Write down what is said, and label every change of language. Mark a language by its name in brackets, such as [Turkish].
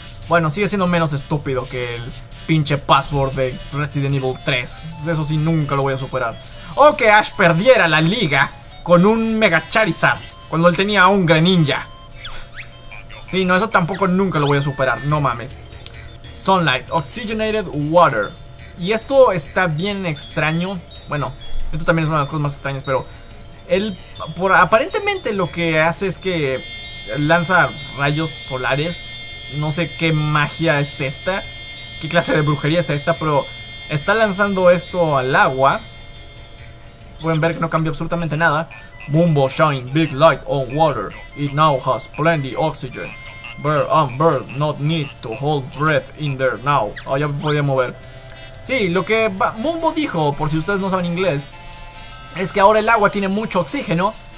[Spanish] Bueno, sigue siendo menos estúpido que el pinche password de Resident Evil 3. Eso sí, nunca lo voy a superar. O que Ash perdiera la liga con un Mega Charizard cuando él tenía a un Greninja. Sí, no, eso tampoco nunca lo voy a superar, no mames. [English] Sunlight, Oxygenated Water. [Spanish] Y esto está bien extraño. Bueno, esto también es una de las cosas más extrañas, pero... Él, aparentemente lo que hace es que lanza rayos solares. No sé qué magia es esta, qué clase de brujería es esta, pero está lanzando esto al agua. Pueden ver que no cambia absolutamente nada. [English] Mumbo shine big light on water. It now has plenty oxygen. Bird and bird not need to hold breath in there now. [Spanish] Oh, ya me podía mover. Sí, lo que Mumbo dijo, por si ustedes no saben inglés, es que ahora el agua tiene mucho oxígeno.